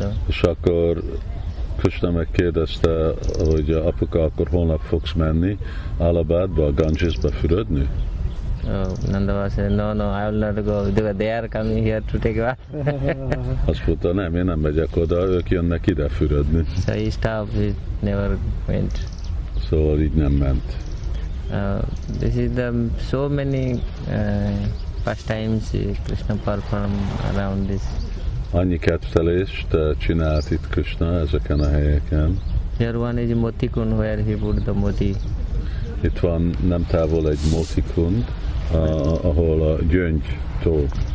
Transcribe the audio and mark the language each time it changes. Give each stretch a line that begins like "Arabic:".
Hungarian: És akkor Krishna megkérdezte, hogy apuka, akkor holnap fogsz menni Allahabadba, a Gangesbe fürödni?
English: Nanda Baba said, no, I will not go, they are coming here to take bath.
Hungarian: Azt mondta, nem, én nem megyek oda, ők jönnek ide fürödni.
English: So he stopped, he never went.
Hungarian: Szóval így nem ment.
English: This is the so many pastimes Krishna perform around this.
Hungarian: Annyi kettelést csinált itt Krishna ezeken a helyeken.
English: Here one is Motikund, where he put the moti.
Hungarian: Itt van nem távol egy Motikund, ahol a gyöngy tó.